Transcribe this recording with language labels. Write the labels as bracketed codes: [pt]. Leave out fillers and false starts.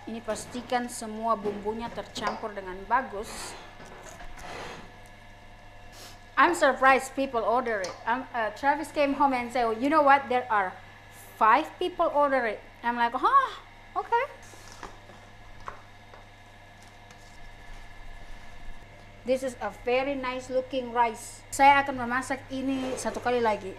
[id] Pastikan semua bumbunya tercampur dengan bagus. [en] I'm surprised people order it. Travis came home and said, oh, you know what? There are 5 people order it. I'm like, huh? Okay. This is a very nice looking rice. [id] Saya akan memasak ini satu kali lagi.